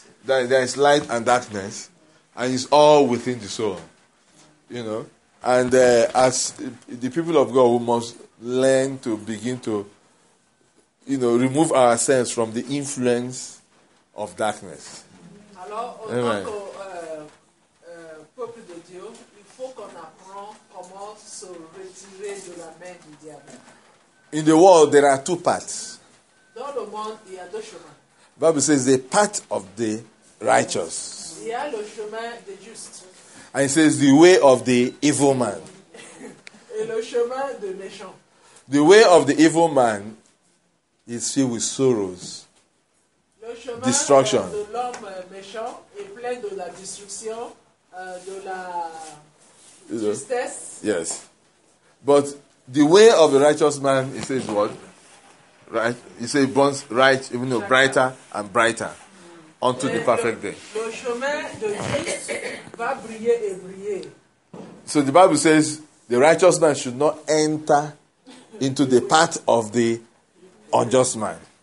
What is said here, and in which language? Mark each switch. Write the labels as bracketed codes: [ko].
[en] That there is light and darkness, and it's all within the soul, you know. And as the people of God, we must learn to begin to, you know, remove ourselves from the influence of darkness. Hello, Amen. [fr] Peuple de Dieu, il faut qu'on apprend comment se retirer de la main du diable. [en] In the world, there are two paths. [fr] Dans le monde, il y a deux chemins. [en] Bible says the path of the righteous. [fr] Il y a le chemin des justes. [en] And it says the way of the evil man. [fr] Et le chemin des méchants. [en] The way of the evil man is filled with sorrows. [fr] Le chemin destruction. De l'homme méchant est plein de la destruction, de la justesse. [en] Yes. But the way of the righteous man, it says what? Right, you say it burns right, even though brighter and brighter, unto the perfect day. [fr] Le chemin de Christ va briller et briller. [en] So the Bible says the righteous man should not enter into the path of the unjust man.